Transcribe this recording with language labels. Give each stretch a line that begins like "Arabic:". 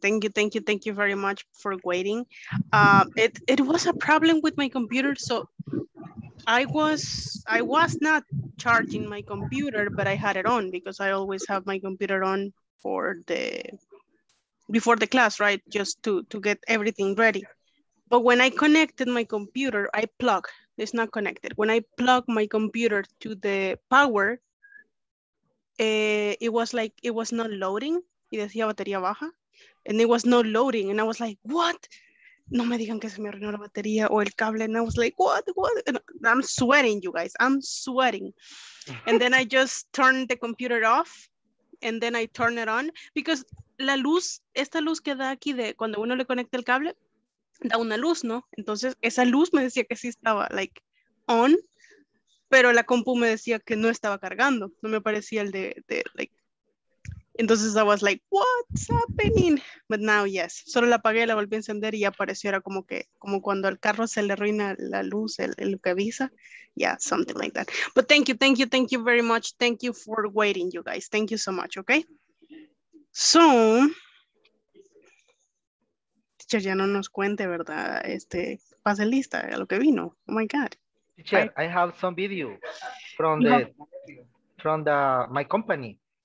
English: Thank you, thank you, thank you very much for waiting. It was a problem with my computer, so I was not charging my computer, but I had it on because I always have my computer on for the before the class, right? Just to get everything ready. But when I connected my computer, it's not connected. When I plug my computer to the power, it was like, it was not loading.
Spanish: Y decía batería baja.
English: And it was not loading. And I was like, what?
Spanish: No me digan que se me arruinó la batería o el cable.
English: And I was like, what, what? And I'm sweating, you guys, I'm sweating. And then I just turned the computer off. And then I turned it on. Because
Spanish: la luz, esta luz que da aquí de cuando uno le conecta el cable, da una luz, ¿no? Entonces, esa luz me decía que sí estaba,
English: like, on,
Spanish: pero la compu me decía que no estaba cargando. No me parecía el de like... Entonces,
English: I was like, what's happening? But now, yes.
Spanish: Solo la apagué, la volví a encender y apareció. Era como que, como cuando al carro se le arruina la luz, el que avisa.
English: Yeah, something like that. But thank you, thank you, thank you very much. Thank you for waiting, you guys. Thank you so much, okay? So...
Spanish: Teacher, ya no nos cuente, ¿verdad? Este, pase lista a lo que vino.
English: Oh my God. Teacher, I have some video from my company.